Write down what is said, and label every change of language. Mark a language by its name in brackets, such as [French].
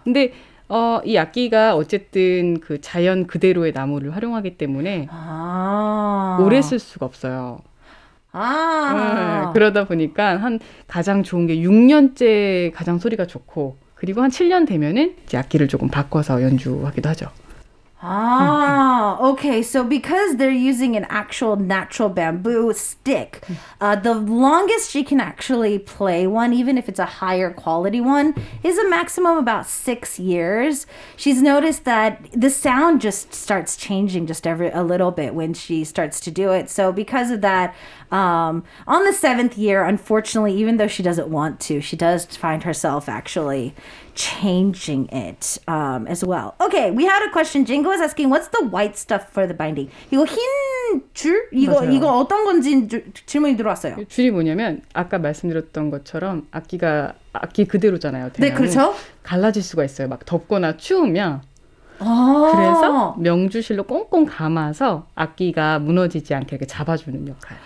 [Korean] 근데 이 악기가 어쨌든 그 자연 그대로의 나무를 활용하기 때문에 오래 쓸 수가 없어요. 그러다 보니까 한 가장 좋은 게 6년째 가장 소리가 좋고 그리고 한 7년 되면은 이제 악기를 조금 바꿔서 연주하기도 하죠. [English] Okay, so because they're using an actual natural bamboo stick, the longest she can actually play one, even if it's a higher quality one, is a maximum about 6 years. She's noticed that the sound just starts changing just every a little bit when she starts to do it. So because of that, on the 7th year, unfortunately, even though she doesn't want to, she does find herself actually changing it as well. Okay, we had a question. Jingo is asking, what's the white stuff for the binding? [Korean] 이거 흰 줄? 이거 맞아요. 이거 어떤 건지 질문이 들어왔어요. 줄이 뭐냐면 아까 말씀드렸던 것처럼 악기가 악기 그대로잖아요. 대양은. 네, 그렇죠. 갈라질 수가 있어요. 막 덥거나 추우면. 아~ 그래서 명주실로 꽁꽁 감아서 악기가 무너지지 않게 이렇게 잡아주는 역할.